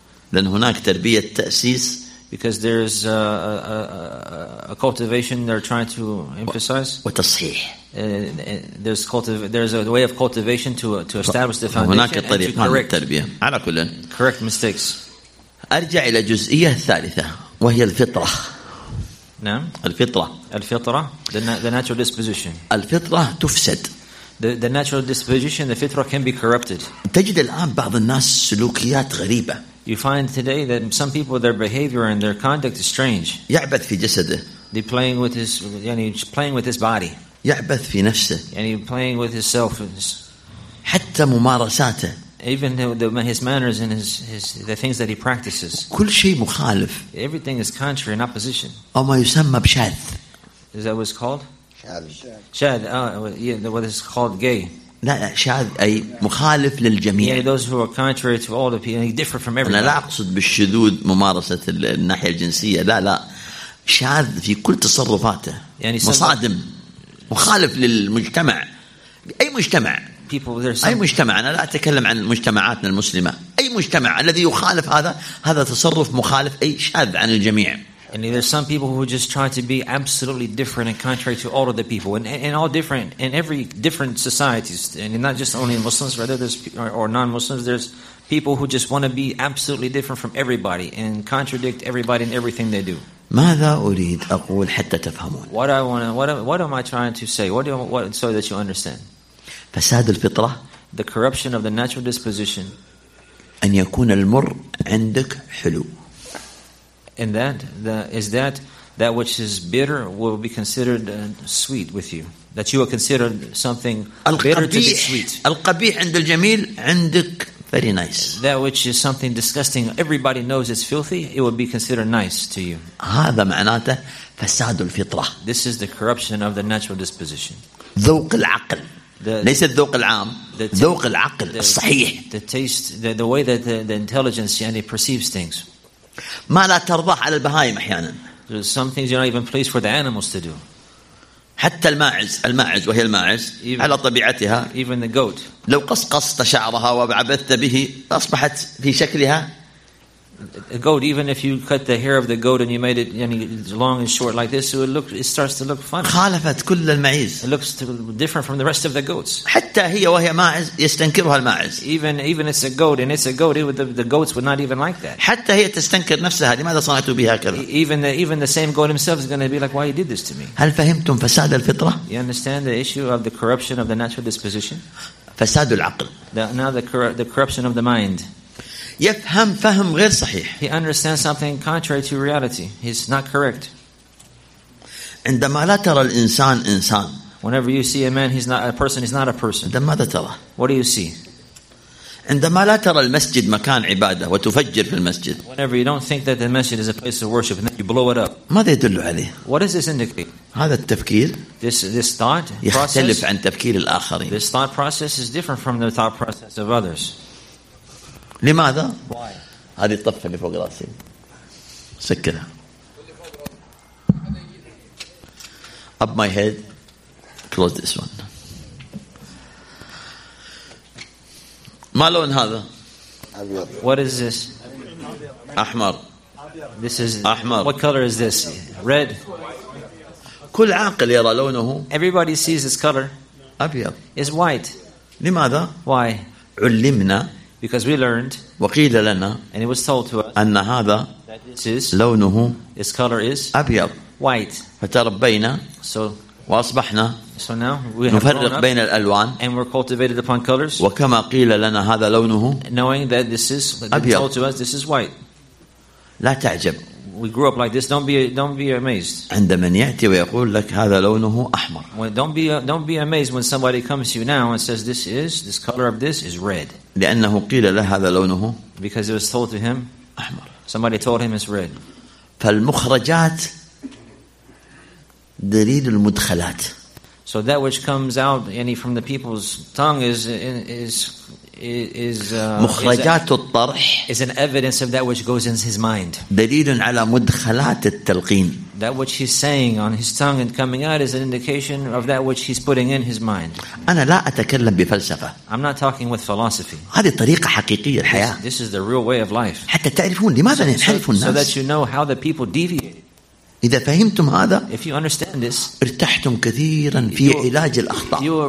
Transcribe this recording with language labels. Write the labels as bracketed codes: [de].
[en] Then [ar] هناك تربية تأسيس. [en] Because there is a cultivation they're trying to emphasize. [ar] وتصحيح. [en] There's a way of cultivation to establish the foundation and to correct [ar] التربية. على كل. [en] Correct mistakes. [ar] أرجع إلى جزئية ثالثة وهي الفطرة. نعم. الفطرة. [en] الفطرة. The natural disposition. [ar] الفطرة تفسد. [en] The natural disposition, the fitra can be corrupted. [ar] تجد الآن بعض الناس سلوكيات غريبة. [en] You find today that some people their behavior and their conduct is strange. [ar] يعبث في جسده. [en] They playing with his, [ar] يعني [en] playing with his body. [ar] يعبث في نفسه. يعني [en] playing with his self. [ar] حتى ممارساته. [en] Even his manners and his the things that he practices. [ar] كل شيء مخالف. [en] Everything is contrary and opposition. [ar] أو ما يسمى بشاذ. [en] Is that what it's called? [ar] Shad. [en] What is called gay. [ar] لا شاذ أي مخالف للجميع. [en] Yeah, those who are contrary to all the people, different from everyone. [ar] أنا لا أقصد بالشذوذ ممارسة الناحية الجنسية. لا لا. شاذ في كل تصرفاته. يعني مصادم. مخالف للمجتمع. أي مجتمع. أي مجتمع أنا لا أتكلم عن مجتمعاتنا المسلمة أي مجتمع الذي يخالف هذا تصرف مخالف أي شاذ عن الجميع. [en] And there's some people who just try to be absolutely different and contrary to all of the people and all different in every different societies and not just only Muslims rather there's or non-Muslims there's people who just want to be absolutely different from everybody and contradict everybody in everything they do. [ar] ماذا أريد أقول حتى تفهمون؟ [en] What am I trying to say? So that you understand. [ar] فساد الفطرة. [en] The corruption of the natural disposition. [ar] أن يكون المر عندك حلو. [en] And that that which is bitter will be considered sweet with you. That you will consider something bitter to be sweet. [ar] القبيح عند الجميل عندك [en] very nice. That which is something disgusting, everybody knows it's filthy. It will be considered nice to you. [ar] هذا معناته فساد الفطرة. [en] This is the corruption of the natural disposition. [ar] ذوق العقل. ليس الذوق العام ذوق العقل الصحيح [en] the way that the intelligence [ar] يعني [en] perceives things [ar] ما لا ترضاه على البهائم احيانا [en] some things you're not even pleased for the animals to do [ar] حتى الماعز وهي الماعز على طبيعتها [en] even the goat [ar] لو قصقصت شعرها وعبثت به اصبحت في شكلها [en] a goat, even if you cut the hair of the goat and you made it long and short like this, it starts to look funny. [ar] خالفت كل المعيز. [en] It looks different from the rest of the goats. [ar] حتى هي وهي ماعز يستنكرها الماعز. [en] Even it's a goat and it's a goat, the goats would not even like that. [ar] حتى هي تستنكر نفسها. لماذا صنعته بها كذا؟ [en] Even the same goat himself is going to be like, why you did this to me? [ar] هل فهمتم فساد الفطرة؟ [en] You understand the issue of the corruption of the natural disposition. [ar] فساد العقل. [en] Now the corruption of the mind. [ar] يفهم فهم غير صحيح. [en] He understands something contrary to reality. He's not correct. [ar] عندما لا ترى الإنسان إنسان. [en] Whenever you see a man, he's not a person. He's not a person. [ar] عندما لا ترى. [en] What do you see? [ar] عندما لا ترى المسجد مكان عبادة وتفجر في المسجد. [en] Whenever you don't think that the masjid is a place of worship and then you blow it up. [ar] ماذا يدل عليه؟ [en] What does this indicate? [ar] هذا التفكير. [en] This thought process. [ar] يختلف عن تفكير الآخرين. [en] This thought process is different from the thought process of others. [ar] لماذا؟ [en] Why? [ar] هذه الطفة اللي فوق راسي سكرها. [en] Up my head, close this one. [ar] ما لون هذا؟ أبيض. [en] What is this? [ar] أحمر. [en] This is [ar] أحمر. [en] What color is this? Red. [ar] كل عاقل يرى لونه. [en] Everybody sees this color. [ar] أبيض. [en] It's white. [ar] لماذا؟ [en] Why? [ar] علمنا. [en] Because we learned, [ar] وقيل لنا, [en] and it was told to us, [ar] أن هذا, [en] that this is, [ar] لونه, [en] its color is, [ar] أبيض, [en] white. [ar] فتربينا, [en] so, [ar] وأصبحنا, [en] so now we have grown up, [ar] بين الألوان, [en] and we're cultivated upon colors. [ar] وكما قيل لنا هذا لونه, [en] knowing that this is, [ar] أبيض, [en] told to us, this is white. [ar] لا تعجب. [en] We grew up like this. Don't be amazed. [ar] عندما يأتي ويقول لك هذا لونه أحمر. [en] Well, don't be amazed when somebody comes to you now and says this color of this is red. [ar] لأنه قيل له هذا لونه. [en] Because it was told to him. [ar] أحمر. [en] Somebody told him it's red. [ar] فالمخرجات دليل المدخلات. [en] So that which comes out from the people's tongue is [ar] مخرجات الطرح [en] is an evidence of that which goes in his mind. [ar] دليل على مدخلات التلقين. [en] That which he's saying on his tongue and coming out is an indication of that which he's putting in his mind. [ar] أنا لا أتكلم بفلسفة. [en] I'm not talking with philosophy. [ar] هذه طريقة حقيقية الحياة. [en] This is the real way of life. [ar] حتى تعرفون لماذا ينحرف الناس. [en] So that you know how the people deviate. [ar] إذا فهمتم هذا [en] if you understand this, [ar] ارتحتم كثيرا في علاج الأخطاء.